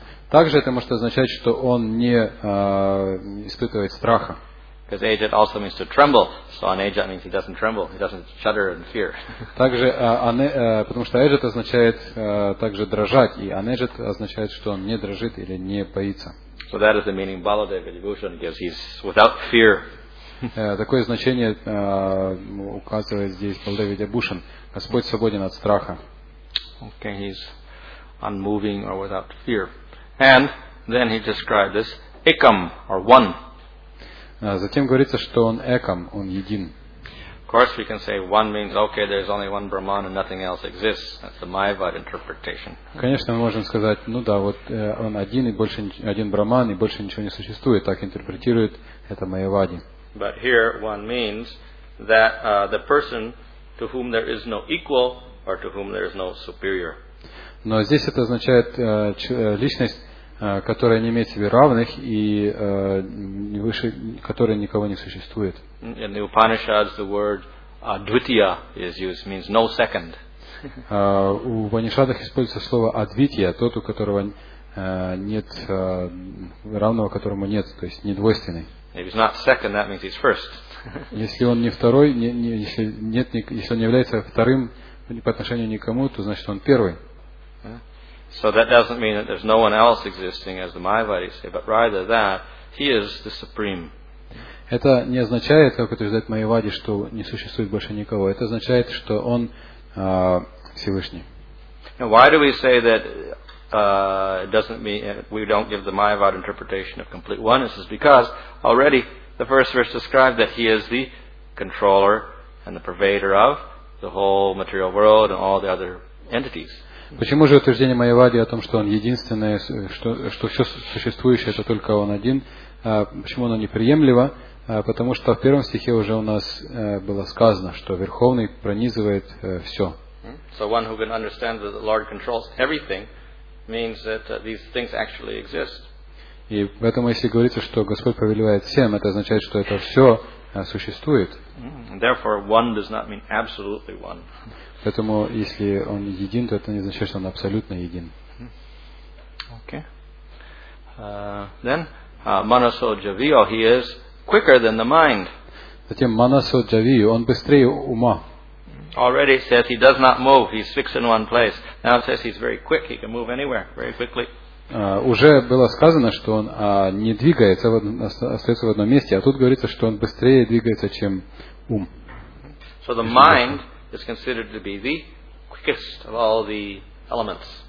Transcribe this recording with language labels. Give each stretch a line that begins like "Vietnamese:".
Russian: Также это может означать, что он не испытывает страха.
English: Because ajat also means to tremble. So anejat means he doesn't tremble. He doesn't shudder in fear.
Russian: Также потому что ajat означает также дрожать, и anejat означает, что он не дрожит или не боится.
English: So that is the meaning Baladeva Vibhushan gives. He's without fear.
Russian: Такое значение указывает здесь Баладева Вибхушан. Господь свободен от страха.
English: Okay, he's unmoving or without fear. And then he described this ekam or one.
Russian: Затем говорится, что он экам, он един.
English: Of course, we can say one means okay, there's only one Brahman and nothing else exists. That's the Mayavad interpretation.
Russian: Конечно, мы можем сказать, ну да, вот он один и больше один Брахман и больше ничего не существует. Так интерпретирует это Майявади.
English: But here, one means that the person to whom there is no equal or to whom there is no superior.
Russian: Но здесь это означает личность, которая не имеет себе равных и выше, которая никого не существует.
English: In the Upanishads, the word advitya is used, means no second.
Russian: У Ванишадах используется слово адвития, тот, у которого нет равного, которому нет, то есть недвойственный.
English: If he's not second, that means he's first.
Russian: Если он не второй, если он не является вторым по отношению никому, то значит он первый.
English: So that doesn't mean that there's no one else existing, as the Mayavadis say, but rather that he is the supreme.
Russian: Это не означает, как утверждает Майявади, что не существует больше никого. Это означает, что он Всевышний.
English: Now, why do we say that it doesn't mean we don't give the Mayavad interpretation of complete oneness? It's because already the first verse described that he is the controller and the pervader of the whole material world and all the other entities.
Russian: Почему же утверждение Майявади о том, что он единственное, что все существующее это только он один, почему оно неприемлемо? Потому что в первом стихе уже у нас было сказано, что Верховный пронизывает все.
English: So one who can understand that the Lord controls everything means that these things actually exist.
Russian: И поэтому, если говорится, что Господь повелевает всем, это означает, что это все существует.
English: Therefore, one does not mean absolutely one.
Russian: Поэтому, если он един, то это не означает, что он абсолютно един.
English: Okay. Manaso Javio, he is quicker than the mind.
Russian: Затем Манасо Джавию, он быстрее ума.
English: Already it says he does not move, he's fixed in one place. Now it says he's very quick, he can move anywhere very quickly.
Russian: Уже было сказано, что он не двигается, остается в одном месте, а тут говорится, что он быстрее двигается, чем ум.
English: So the mind is considered to be the quickest of all the elements.